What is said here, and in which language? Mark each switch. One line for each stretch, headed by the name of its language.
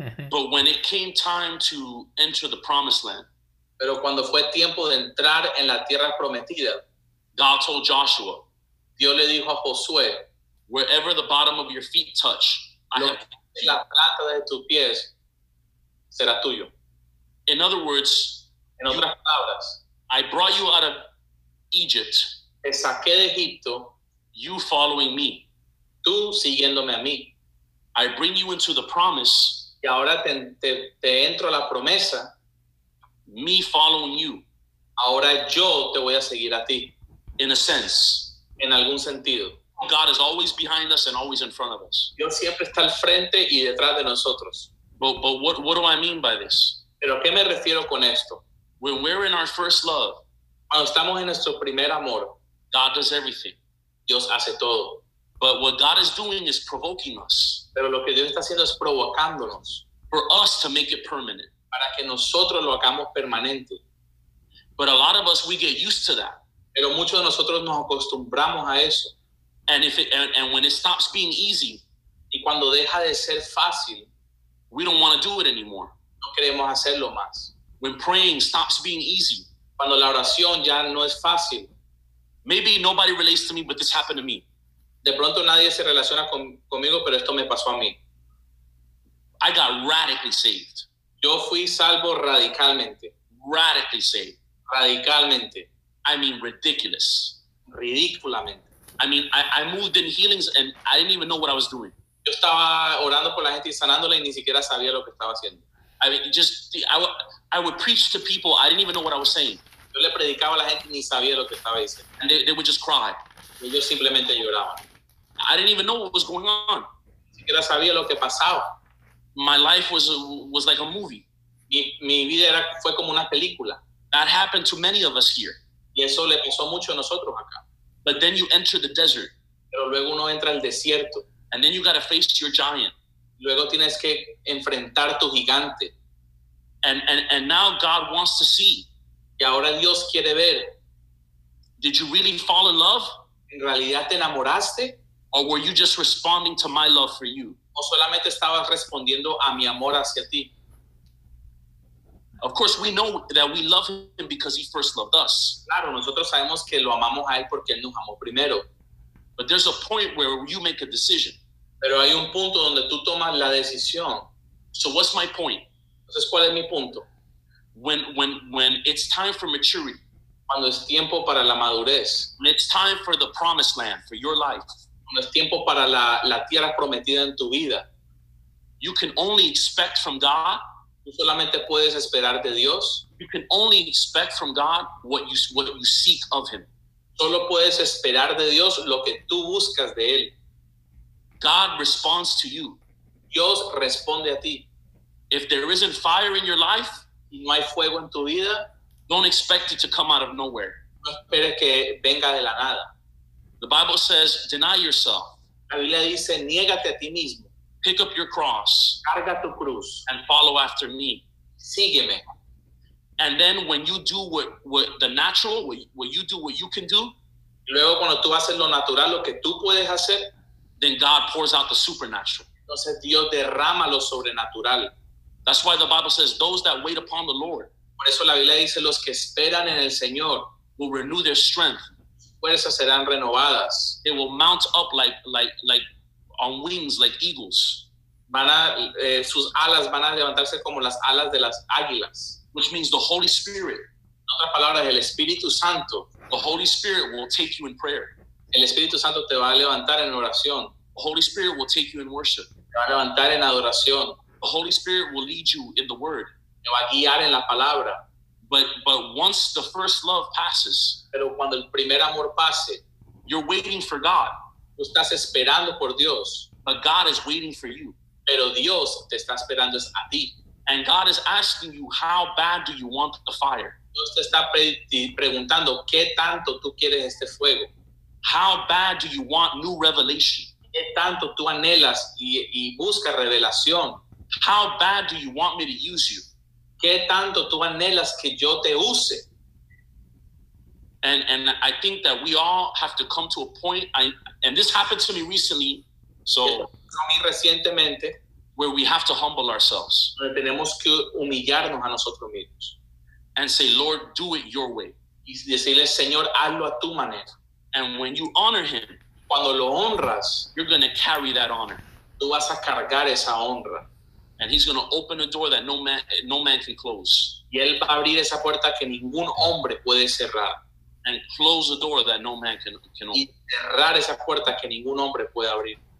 English: But when it came time to enter the promised land.
Spanish: Pero cuando fue tiempo de entrar en la tierra prometida,
English: God told Joshua,
Spanish: Dios le dijo a Josué,
English: wherever the bottom of your feet touch,
Spanish: La plata de tus pies será tuyo.
English: In other words,
Spanish: en otras palabras,
English: I brought you out of Egypt.
Spanish: Te saqué de Egipto.
English: You following me.
Spanish: Tú siguiéndome a mí.
English: I bring you into the promise.
Spanish: Y ahora te entro a la promesa.
English: Me following you.
Spanish: Ahora yo te voy a seguir a ti.
English: In a sense.
Spanish: En algún sentido.
English: God is always behind us and always in front of us.
Spanish: Dios siempre está al frente y detrás de nosotros.
English: But what do I mean by this?
Spanish: ¿Pero qué me refiero con esto?
English: When we're in our first love.
Spanish: Cuando estamos en nuestro primer amor.
English: God does everything.
Spanish: Dios hace todo.
English: But what God is doing is provoking us.
Spanish: Pero lo que Dios está haciendo es provocándonos.
English: For us to make it permanent.
Spanish: Para que nosotros lo hagamos permanente.
English: But a lot of us, we get used to that.
Spanish: Pero muchos de nosotros nos acostumbramos a eso.
English: And when it stops being easy.
Spanish: Y cuando deja de ser fácil.
English: We don't want to do it anymore.
Spanish: No queremos hacerlo más.
English: When praying stops being easy.
Spanish: Cuando la oración ya no es fácil.
English: Maybe nobody relates to me, but this happened to me.
Spanish: De pronto nadie se relaciona conmigo, pero esto me pasó a mí.
English: I got radically saved.
Spanish: Yo fui salvo radicalmente.
English: Radically saved.
Spanish: Radicalmente.
English: I mean ridiculous.
Spanish: Ridículamente.
English: I mean, I moved in healings and I didn't even know what I was doing.
Spanish: Yo estaba orando por la gente y sanándola y ni siquiera sabía lo que estaba haciendo.
English: I mean, just, I would preach to people. I didn't even know what I was saying.
Spanish: Yo le predicaba a la gente y ni sabía lo que estaba diciendo.
English: And they would just cry.
Spanish: Y ellos simplemente lloraban.
English: I didn't even know what was going on.
Spanish: Ni siquiera sabía lo que pasaba.
English: My life was like a movie.
Spanish: Mi vida fue como una película.
English: That happened to many of us here.
Spanish: Y eso le pasó mucho a nosotros acá.
English: But then you enter the desert.
Spanish: Pero luego uno entra al desierto.
English: And then you got to face your giant.
Spanish: Luego tienes que enfrentar tu gigante.
English: And now God wants to see.
Spanish: Y ahora Dios quiere ver.
English: Did you really fall in love?
Spanish: ¿En realidad te enamoraste?
English: Or were you just responding to my love for you?
Spanish: ¿O solamente estabas respondiendo a mi amor hacia ti?
English: Of course, we know that we love him because he first loved us.
Spanish: Claro, nosotros sabemos que lo amamos a él porque él nos amó primero.
English: But there's a point where you make a decision.
Spanish: Pero hay un punto donde tú tomas la decisión.
English: So what's my point?
Spanish: Entonces, ¿cuál es mi punto?
English: When it's time for maturity.
Spanish: Cuando es tiempo para la madurez.
English: When it's time for the promised land, for your life.
Spanish: Cuando es tiempo para la tierra prometida en tu vida.
English: You can only expect from God.
Spanish: Tú solamente puedes esperar de Dios.
English: You can only expect from God what you seek of him.
Spanish: Solo puedes esperar de Dios lo que tú buscas de él.
English: God responds to you.
Spanish: Dios responde a ti.
English: If there isn't fire in your life,
Spanish: y no hay fuego en tu vida,
English: don't expect it to come out of nowhere.
Spanish: No esperes que venga de la nada.
English: The Bible says, deny yourself.
Spanish: La Biblia dice, niégate a ti mismo.
English: Pick up your cross.
Spanish: Carga tu cruz.
English: And follow after me.
Spanish: Sígueme.
English: And then when you do what the natural, when you do what you can do,
Spanish: y luego cuando tú haces lo natural, lo que tú puedes hacer,
English: then God pours out the supernatural.
Spanish: Entonces Dios derrama lo sobrenatural.
English: That's why the Bible says, those that wait upon the Lord,
Spanish: por eso la Biblia dice, los que esperan en el Señor,
English: will renew their strength.
Spanish: Fuerzas serán renovadas.
English: They will mount up like on wings, like eagles.
Spanish: Sus alas van a levantarse como las alas de las águilas.
English: Which means the Holy Spirit.
Spanish: En otras palabras, el Espíritu Santo.
English: The Holy Spirit will take you in prayer.
Spanish: El Espíritu Santo te va a levantar en oración.
English: The Holy Spirit will take you in worship.
Spanish: Te va a levantar en adoración.
English: The Holy Spirit will lead you in the Word.
Spanish: Te va a guiar en la palabra.
English: But once the first love passes,
Spanish: pero cuando el primer amor pase,
English: you're waiting for God.
Spanish: Tú estás esperando por Dios.
English: But God is waiting for you.
Spanish: Pero Dios te está esperando a ti.
English: And God is asking you, how bad do you want the fire?
Spanish: Dios te está preguntando, ¿qué tanto tú quieres este fuego?
English: How bad do you want new revelation?
Spanish: ¿Qué tanto tú anhelas y buscas revelación?
English: How bad do you want me to use you?
Spanish: ¿Qué tanto tú anhelas que yo te use?
English: And I think that we all have to come to a point, and this happened to me recently, so,
Spanish: a mí recientemente,
English: where we have to humble ourselves.
Spanish: Donde tenemos que humillarnos a nosotros mismos.
English: And say, Lord, do it your way.
Spanish: Y decirle, Señor, hazlo a tu manera.
English: And when you honor him,
Spanish: cuando lo honras,
English: you're going to carry that honor.
Spanish: Tú vas a cargar esa honra.
English: And he's going to open a door that no man can close.
Spanish: Y él va a abrir esa puerta que ningún hombre puede cerrar.
English: And close a door that no man can open.
Spanish: Y cerrar esa puerta que ningún hombre puede abrir.